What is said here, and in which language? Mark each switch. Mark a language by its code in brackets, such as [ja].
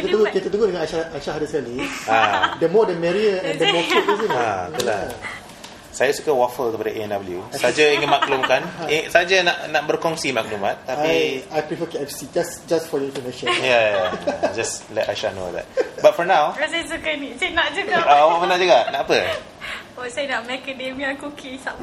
[ms] Kita tunggu dengan Aisyah hari sekali. [en] The more the merrier and the more cute. [ms] Saya suka waffle daripada A&W. Saja ingin maklumkan. Saja nak berkongsi maklumat. Tapi [en] I prefer KFC. Just for your information. Yeah. Just let Aisyah know that. But for now. [ms] Saya suka ni. Saya nak juga. Awak nak juga? Nak apa? Saya nak macadamia cookie. Sama.